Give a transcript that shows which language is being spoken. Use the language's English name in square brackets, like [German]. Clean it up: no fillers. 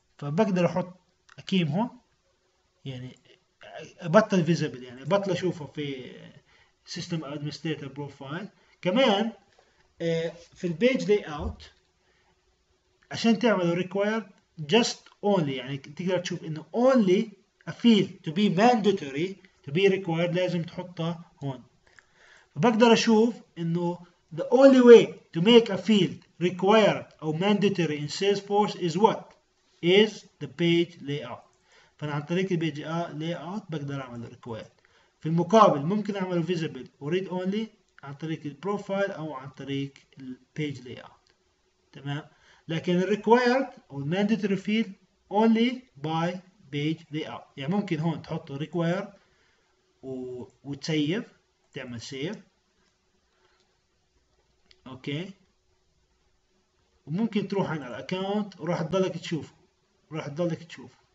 [Arabic] فبقدر احط اكيم هون، يعني بطل فيزبل، يعني بطل اشوفه في سيستم ادمنستريتور بروفايل. كمان في البيج لاي اوت عشان تعمل ريكوير جاست اونلي، يعني تقدر تشوف انه اونلي افيل تو بي ماندوتوري تو بي ريكوير، لازم تحطها هون. بقدر اشوف انه [English] the only way to make a field required or mandatory in Salesforce is what? Is the page layout. [Arabic] فأنا عن طريق ال page layout بقدر أعمل required. في المقابل ممكن أعمل visible و read only عن طريق ال profile أو عن طريق ال page layout. تمام؟ لكن ال required أو [English] mandatory field only by page layout. [Arabic] يعني ممكن هون تحط required وتسيف، تعمل save. اوكي، وممكن تروح على الاكونت وراح تضلك تشوف، راح تضلك تشوف.